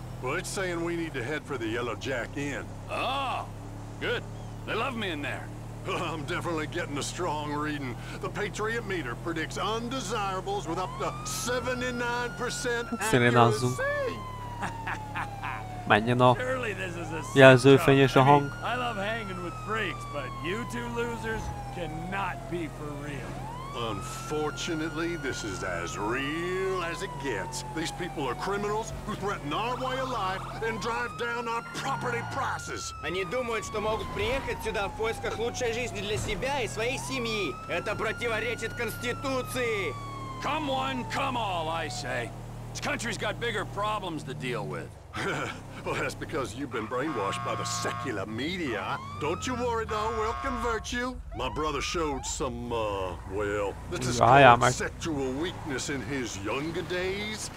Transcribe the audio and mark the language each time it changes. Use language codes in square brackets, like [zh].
[en] Well, it's saying we need to head for the Yellow Jack Inn. Oh, good. They love me in there. I'm definitely getting a strong reading. The Patriot meter predicts undesirables with up to 79% accuracy. Surely this is a [hu] jelzőfényes a hang. [en] I love hanging with freaks, but you two losers cannot be for real. Unfortunately, this is as real as it gets. These people are criminals who threaten our way of life and drive down our property prices. [ru] Они думают, что могут приехать сюда в поисках лучшей жизни для себя и своей семьи. Это противоречит Конституции. [en] Come one, come all, I say. This country's got bigger problems to deal with. Well, that's because you've been brainwashed by the secular media. Don't you worry, though, we'll convert you. My brother showed some, well, this is called sexual weakness in his younger days.